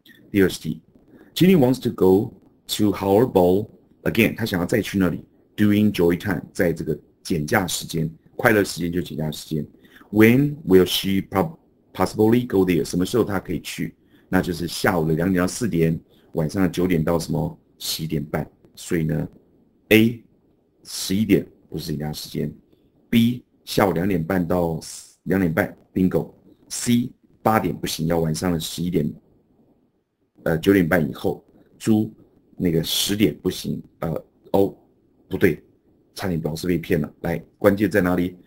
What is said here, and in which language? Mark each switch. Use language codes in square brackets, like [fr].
[zh] 第二十题 , [en] Ginny wants to go to Howl Bowl again, [zh] 她想要再去那里 , [en] doing joy time, [zh] 在这个减价时间，快乐时间就减价时间。 [en] When will she possibly go there? [zh] 什么时候她可以去？那就是下午的2点到4点。晚上的9点到11点半，所以呢 ，A 11点不是减价时间 ，B 下午2点半到2点半 ，bingo，C 8点不行，要晚上的11点，9点半以后 ，D 那个10点不行，哦，不对，差点表示被骗了。来，关键在哪里？